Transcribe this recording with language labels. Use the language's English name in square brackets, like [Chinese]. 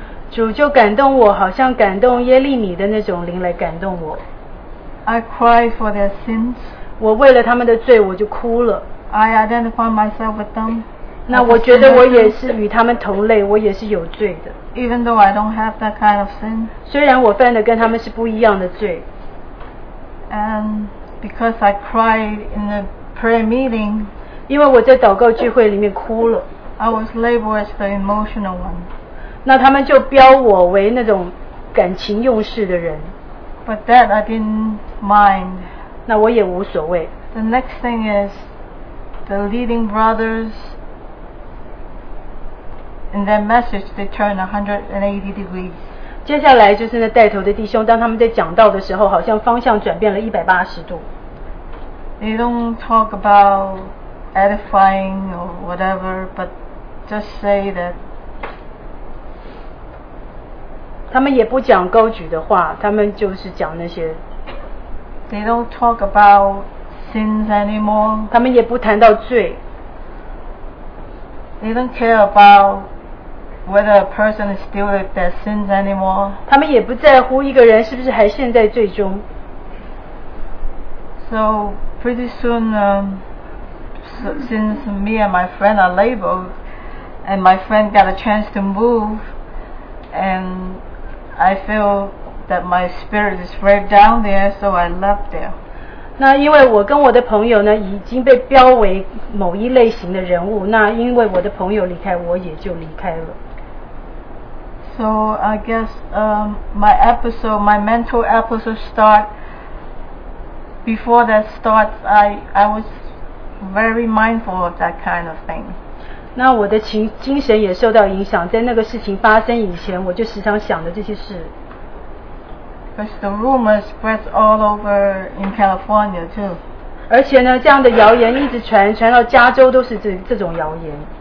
[Chinese] 主就感动我，好像感动耶利米的那种灵来感动我。 [English] I cry for their sins. [Chinese] 我为了他们的罪，我就哭了。 [English] I identify myself with them. [Chinese] 那我觉得我也是与他们同类，我也是有罪的。 [English] Even though I don't have that kind of sin. [Chinese] 虽然我犯的跟他们是不一样的罪。 [English] And because I cried in the prayer meeting. [Chinese] 因为我在祷告聚会里面哭了。 [English] I was labeled as the emotional one. [Chinese] 那他们就标我为那种感情用事的人。 [English] But that I didn't mind. [Chinese] 那我也无所谓。 [English] The next thing is the leading brothers in their message they turned 180 degrees. [Chinese] 接下来就是那带头的弟兄，当他们在讲道的时候，好像方向转变了180度。 [English] They don't talk about edifying or whatever, but just say that. [Chinese] 他们也不讲高举的话，他们就是讲那些。 [English] They don't talk about sins anymore. [Chinese] 他们也不谈到罪。 [English] They don't care about whether a person is still with their sins anymore. [Chinese] 他们也不在乎一个人是不是还陷在罪中。 [English] So pretty soon, since me and my friend are labeled, and my friend got a chance to move, andI feel that my spirit is right down there, so I left there. [Chinese] 那因为我跟我的朋友呢已经被标为某一类型的人物，那因为我的朋友离开，我也就离开了。 [English] So I guess my mental episode start. Before that starts, I was very mindful of that kind of thing. [Chinese] 那我的精神也受到影响，在那个事情发生以前，我就时常想着这些事。 [English] Because the rumors spread all over in California too. [Chinese] 而且呢，这样的谣言一直传到加州都是这种谣言。